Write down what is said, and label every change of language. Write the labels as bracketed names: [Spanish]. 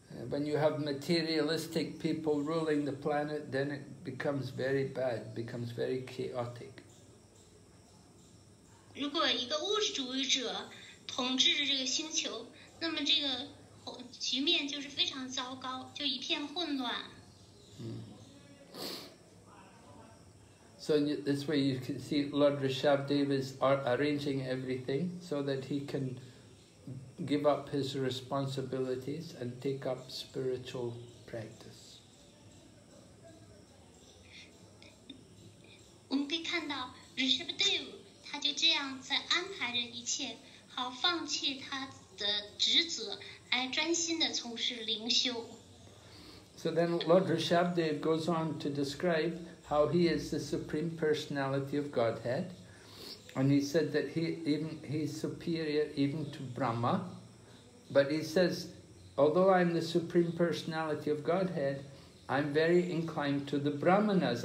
[English] When you have materialistic people ruling the planet, then it becomes very bad, becomes very chaotic. [Chinese] 如果一个物质主义者统治着这个星球， 那么这个局面就是非常糟糕，就一片混乱。 [English] So this way you can see Lord Rishabhdev is arranging everything so that he can give up his responsibilities and take up spiritual practice. [Chinese] 我们可以看到Rishabhdev他就这样在安排着一切，好放弃他的职责，来专心的从事灵修。 [English] So then Lord Rishabhdev goes on to describe how he is the Supreme Personality of Godhead. And he said that he's superior even to Brahma. But he says, although I'm the Supreme Personality of Godhead, I'm very inclined to the Brahmanas.